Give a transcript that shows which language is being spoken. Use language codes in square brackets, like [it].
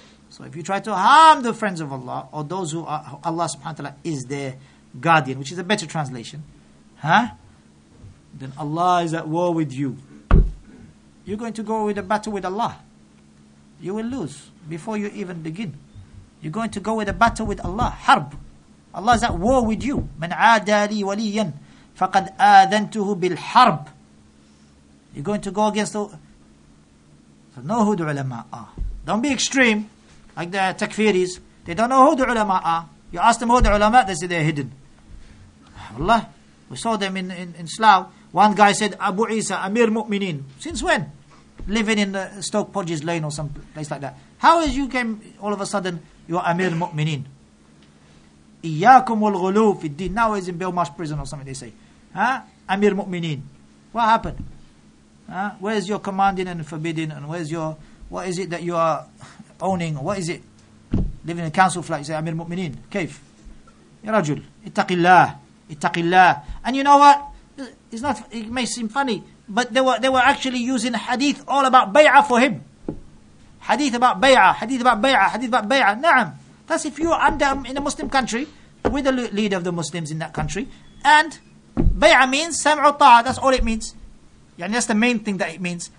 [en] So if you try to harm the friends of Allah, or those who are, Allah subhanahu wa ta'ala is their guardian, which is a better translation, then Allah is at war with you. You're going to go with a battle with Allah. You will lose before you even begin. You're going to go with a battle with Allah. Harb. Allah is at war with you. [ar] مَنْ عَادَى لِي وَلِيًّا فَقَدْ آذَنْتُهُ بِالْحَرْبِ [en] You're going to go against the... So know who the ulama are. Don't be extreme. Like the takfiris. They don't know who the ulama are. You ask them who the ulama, they say they're hidden. Allah. We saw them in Slough. One guy said, Abu Isa, Amir Mu'mineen. Since when? Living in Stoke Podge's Lane or some place like that. How is you came, all of a sudden, you're Amir Mu'mineen? [ar] إِيَّاكُمُ الْغُلُو فِي الدِّينِ [en] Now he's in Belmarsh prison or something, they say. Amir Mu'mineen. What happened? Where's your commanding and forbidding? And where's your... What is it that you are owning? What is it? Living in a council flat, you say, Amir Mu'mineen. [ar] كيف? يَا رَجُلْ اتَّقِ اللَّهِ اتَّقِ اللَّهِ [en] And you know what? It's not. It may seem funny, but they were actually using hadith all about bay'ah for him. Hadith about bay'ah, hadith about bay'ah, hadith about bay'ah. Na'am. That's if you're under in a Muslim country with the leader of the Muslims in that country. And bay'ah means sam'u ta'a. That's all it means. And that's the main thing that it means.